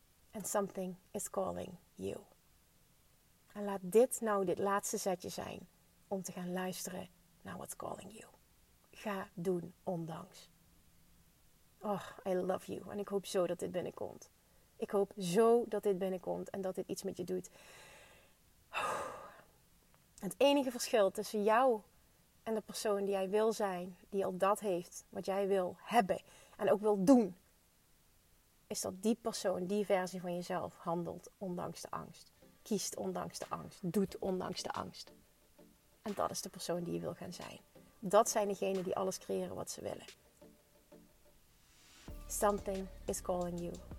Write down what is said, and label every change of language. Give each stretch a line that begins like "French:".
English: And something is calling you.
Dutch: En laat dit nou dit laatste zetje zijn. Om te gaan luisteren naar
English: what's calling you.
Dutch: Ga doen ondanks.
English: Oh, I love you.
Dutch: En ik hoop zo dat dit binnenkomt. Ik hoop zo dat dit binnenkomt en dat dit iets met je doet. Het enige verschil tussen jou en de persoon die jij wil zijn, die al dat heeft wat jij wil hebben en ook wil doen, is dat die persoon, die versie van jezelf, handelt ondanks de angst. Kiest ondanks de angst. Doet ondanks de angst. En dat is de persoon die je wil gaan zijn. Dat zijn degenen die alles creëren wat ze willen.
English: Something is calling you.